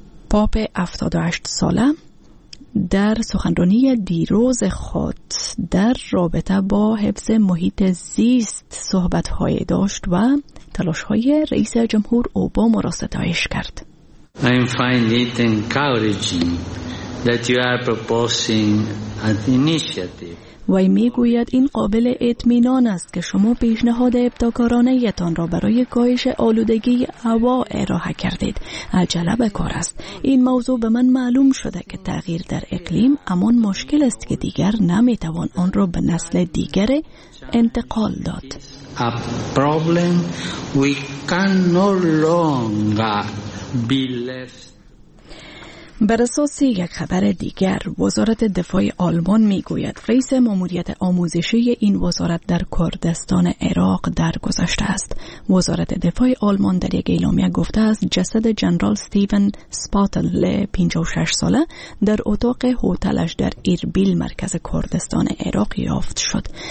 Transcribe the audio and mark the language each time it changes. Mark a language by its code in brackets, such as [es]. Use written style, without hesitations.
[fa] پاپ 78 ساله در سخنرانی دیروز خود در رابطه با حفظ محیط زیست صحبت‌های داشت و تلاش‌های رئیس جمهور اوباما را ستایش کرد. [en] I find it encouraging that you are proposing an initiative. [fa] و می‌گوید این قابل اطمینان است که شما پیشنهاد ابتکارانه‌تان را برای کاهش آلودگی هوا ارائه کردید. عجله به کار است. این موضوع به من معلوم شده که تغییر در اقلیم همان مشکل است که دیگر نمی‌توان آن را به نسل دیگر انتقال داد. [en] A problem we can no longer be left. [fa] بر اساس یک خبر دیگر، وزارت دفاع آلمان میگوید رئیس ماموریت آموزشی این وزارت در کردستان عراق درگذشته است. وزارت دفاع آلمان در یک اعلامیه گفته است جسد جنرال استیون سپاتل 56 ساله در اتاق هتلش در اربیل مرکز کردستان عراق یافت شد.